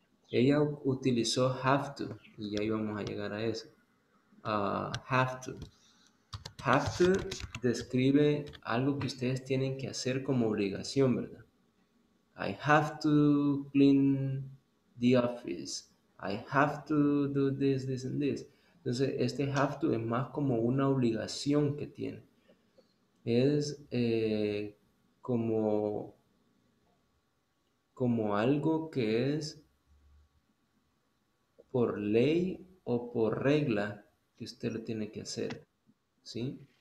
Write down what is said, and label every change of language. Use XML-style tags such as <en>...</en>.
<es>Ella utilizó have to, y ya íbamos a llegar a eso. Have to. Have to describe algo que ustedes tienen que hacer como obligación, ¿verdad?</es> <en>I have to clean the office. I have to do this, this, and this.</en> <es>Entonces, este have to es más como una obligación que tiene. Es como algo que es por ley o por regla que usted lo tiene que hacer, ¿sí?</es>